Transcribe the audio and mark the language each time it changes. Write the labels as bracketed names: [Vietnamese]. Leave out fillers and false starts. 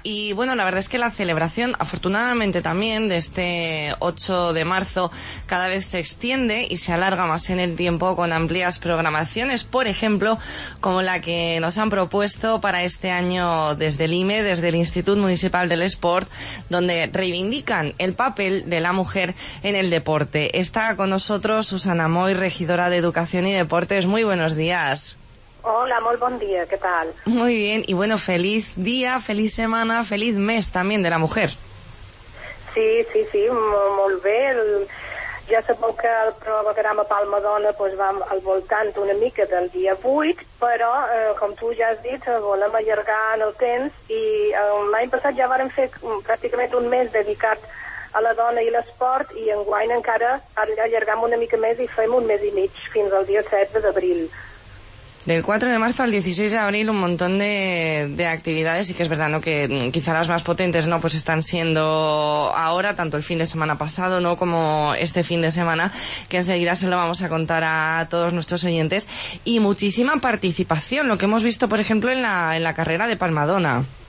[Spanish] Y bueno, la verdad es que la celebración, afortunadamente también, de este 8 de marzo cada vez se extiende y se alarga más en el tiempo, con amplias programaciones, por ejemplo, como la que nos han propuesto para este año desde el IME, desde el Instituto Municipal del Sport, donde reivindican el papel de la mujer en el deporte. Está con nosotros Susana Moy, regidora de Educación y Deportes. Muy buenos días. Hola, muy buen día, ¿qué tal? Muy bien, y bueno, feliz día, feliz semana, feliz mes también de la mujer. Sí, sí, sí, muy bien. [Catalan] Ja sabeu que el programa Palma Dona pues, va al voltant una mica del dia 8, però, com tu ja has dit, volem allargar en el temps, i l'any passat ja vàrem fer pràcticament un mes dedicat a la dona i l'esport, i enguany encara allargam una mica més i fem un mes i mig, fins al dia 7 d'abril. [Spanish] del 4 de marzo al 16 de abril un montón de actividades, y que es verdad, ¿no?, que quizá las más potentes, ¿no?, pues están siendo ahora, tanto el fin de semana pasado, ¿no?, como este fin de semana, que enseguida se lo vamos a contar a todos nuestros oyentes, y muchísima participación, lo que hemos visto, por ejemplo, en la carrera de Palmadona.